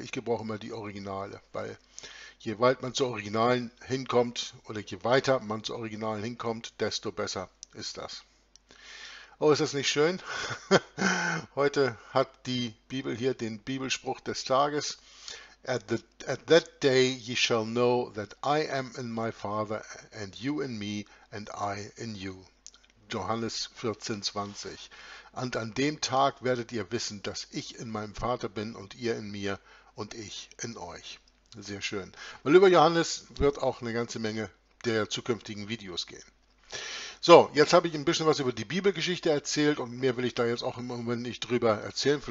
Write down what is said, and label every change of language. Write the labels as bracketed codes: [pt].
[de] Ich gebrauche immer die Originale, weil je weit man zur Originalen hinkommt oder je weiter man zur Originalen hinkommt, desto besser ist das. Oh, ist das nicht schön? Heute hat die Bibel hier den Bibelspruch des Tages. [en] At that day ye shall know that I am in my Father and you in me and I in you. [de] Johannes 14,20. Und an dem Tag werdet ihr wissen, dass ich in meinem Vater bin und ihr in mir und ich in euch. Sehr schön. Mein lieber Johannes, wird auch eine ganze Menge der zukünftigen Videos gehen. So, jetzt habe ich ein bisschen was über die Bibelgeschichte erzählt und mehr will ich da jetzt auch im Moment nicht drüber erzählen.